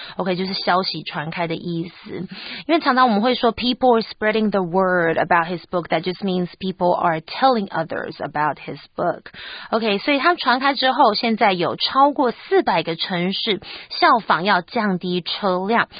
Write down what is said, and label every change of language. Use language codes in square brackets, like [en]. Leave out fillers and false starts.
[zh] OK, 就是消息传开的意思。因为常常我们会说 [en] people are spreading the word about his book. That just means people are telling others about his book. [zh] OK, 所以他传开之后，现在有超过400个城市效仿要降低车辆。